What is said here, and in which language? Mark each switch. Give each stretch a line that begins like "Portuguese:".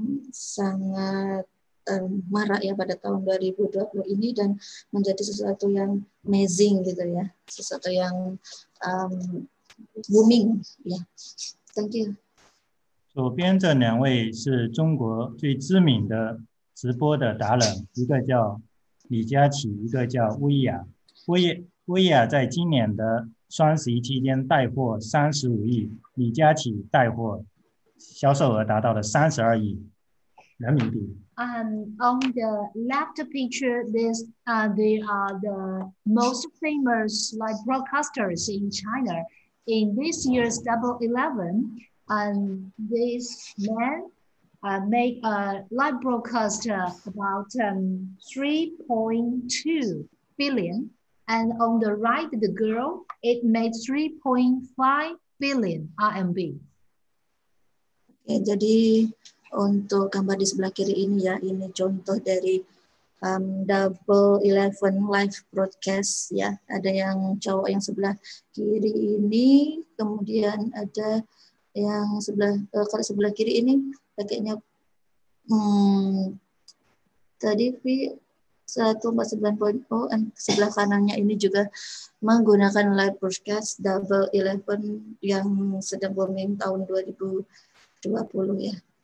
Indonesian: sangat marak ya pada tahun 2020 ini dan menjadi sesuatu yang amazing gitu ya, sesuatu yang booming ya.
English: Yeah. Thank you.
Chinese: 左边这两位是中国最知名的直播的达人，一个叫李佳琦，一个叫薇娅。薇娅在今年的双十一期间带货35亿，李佳琦带货销售额达到了32亿人民币。
English: On the left picture, they are the most famous live broadcasters in China. In this year's Double 11, this man make a live broadcast about 3.2 billion. And on the right, the girl, it made 3.5 billion RMB.
Indonesian: Okay, jadi untuk gambar di sebelah kiri ini ya, ini contoh dari Double 11 live broadcast ya. Ada yang cowok yang sebelah kiri ini, kemudian ada yang sebelah kalau sebelah kiri ini kayaknya tadi V149.0 dan sebelah kanannya ini juga menggunakan live broadcast Double 11 yang sedang booming tahun 2020 ya.